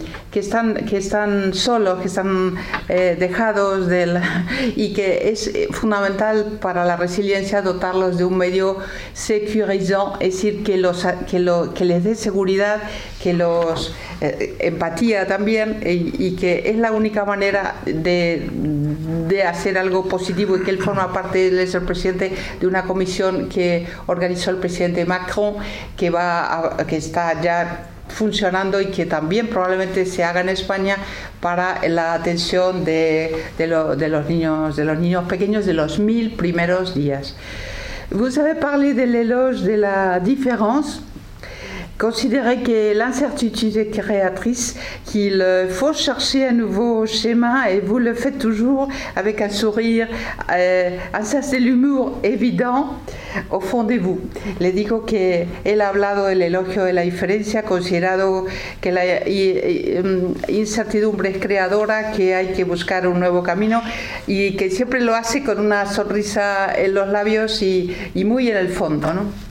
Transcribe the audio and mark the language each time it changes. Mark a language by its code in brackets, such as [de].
[es] que están solos, que están dejados y que es fundamental para la resiliencia dotarlos de un medio securizant, es decir, que les dé seguridad, que los empatía también, y que es la única manera de hacer algo positivo, y que él forma parte, él es el presidente de una comisión que organizó el presidente Macron, que está ya funcionando y que también probablemente se haga en España para la atención de los niños pequeños de los 1000 primeros días. [fr] Vous avez parlé de l'éloge de la différence. Considérez que l'incertitude est créatrice, qu'il faut chercher un nouveau schéma et vous le faites toujours avec un sourire, un sens de l'humour évident au fond de vous. [es] Le digo que él ha hablado del elogio de la diferencia, considerado que la incertidumbre es creadora, que hay que buscar un nuevo camino y que siempre lo hace con una sonrisa en los labios y muy en el fondo, ¿no?